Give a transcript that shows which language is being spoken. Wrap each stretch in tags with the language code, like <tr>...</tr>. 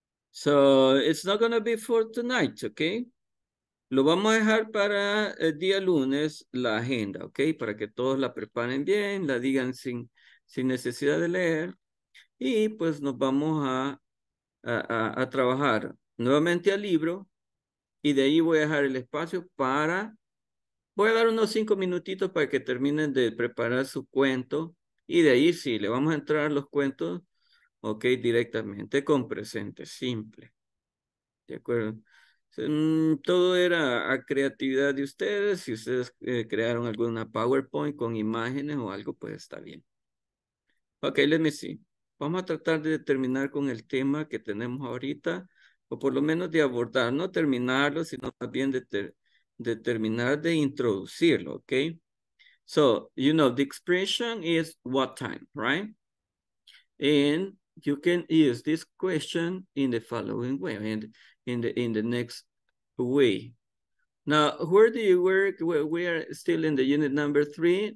<en>So it's not gonna be for tonight, okay?</en> <es>Lo vamos a dejar para el día lunes la agenda, ok? Para que todos la preparen bien, la digan sin necesidad de leer. Y pues nos vamos a trabajar nuevamente al libro. Y de ahí voy a dejar el espacio para... Voy a dar unos 5 minutitos para que terminen de preparar su cuento. Y de ahí sí, le vamos a entrar los cuentos, ok, directamente con presente, simple. ¿De acuerdo? Todo era a creatividad de ustedes. Si ustedes crearon alguna PowerPoint con imágenes o algo, pues está bien.</es> <en>Ok, let me see.</en> <es>Vamos a tratar de terminar con el tema que tenemos ahorita, o por lo menos de abordar, no terminarlo, sino más bien de terminar de introducirlo, ok?</es> <en>So, you know, the expression is what time, right? And you can use this question in the following way, and in the next way. Now, where do you work? Well, we are still in the unit number 3.</en>